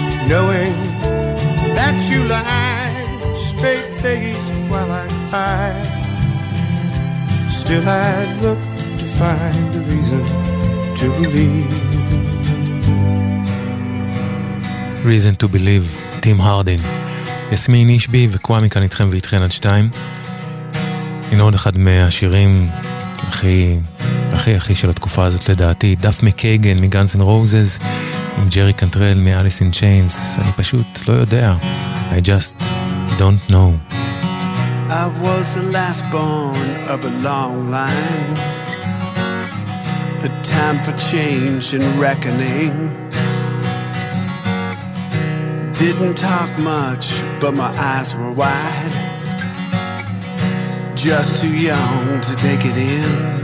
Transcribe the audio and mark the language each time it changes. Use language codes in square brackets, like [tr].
[en] Knowing that you lied, straight faced while I cried, still I'd look to find a reason to believe. Reason to believe, Tim Hardin. [he] יסמין אישבי וקוואמי כאן איתכם ואיתכן עד שתיים. הנה עוד אחד מהשירים הכי הכי הכי של התקופה הזאת לדעתי, דף מקייגן מגאנס אנד רוזז עם ג'רי קנטרל מאליס אין צ'יינס. אני פשוט לא יודע, [en] I just don't know. I was the last born of a long line, a time for change and reckoning. Didn't talk much, but my eyes were wide, just too young to take it in.